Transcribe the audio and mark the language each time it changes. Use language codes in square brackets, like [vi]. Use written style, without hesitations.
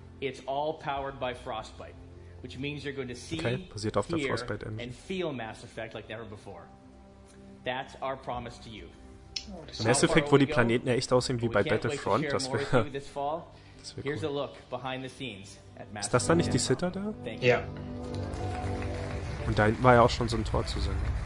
[en] It's all powered by Frostbite, which means you're going to see, okay, [de] basiert auf der Frostbite Engine, [en] and feel Mass Effect like never before. That's our promise to you. [de] Mass Effect, wo die Planeten ja echt aussehen wie bei Battlefront, das wäre cool. [en] Here's a look behind the scenes at Mass. [de] Ist das da nicht die Citadel? Ja. Und da hinten war ja auch schon so ein Tor zu sehen.